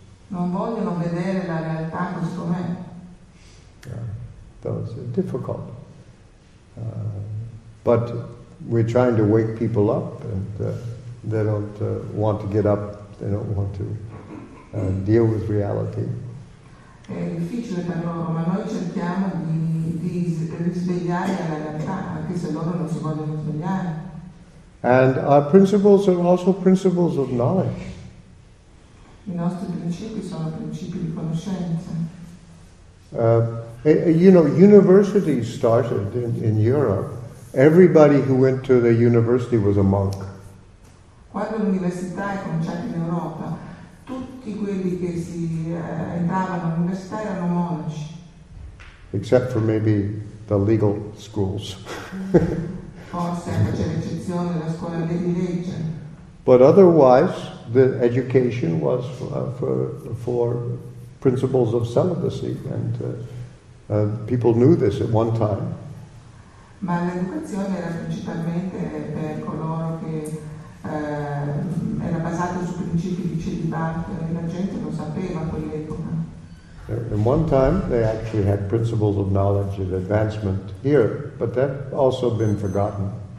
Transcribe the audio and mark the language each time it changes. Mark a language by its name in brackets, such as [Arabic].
[Italian] Non vogliono vedere la realtà così com'è. [English] That's difficult. But we're trying to wake people up, and they don't want to get up, they don't want to deal with reality. [Italian] È difficile per loro, ma noi cerchiamo di risvegliare la realtà, anche se loro non si vogliono svegliare. [English] And our principles are also principles of knowledge. [Italian] I nostri principi sono principi di conoscenza. [English] You know, universities started in Europe. Everybody who went to the university was a monk. [Italian] Quando l'università è cominciata in Europa, tutti quelli che si entravano all'università erano monaci. [English] Except for maybe the legal schools. [Italian] Forse c'è l'eccezione della scuola di legge. [English] But otherwise, the education was for principles of celibacy, and people knew this at one time. [Italian] Ma l'educazione era principalmente per coloro che era basato su principi di celibato e la gente lo sapeva a quell'epoca. [English] In one time, they actually had principles of knowledge and advancement here, but that also been forgotten.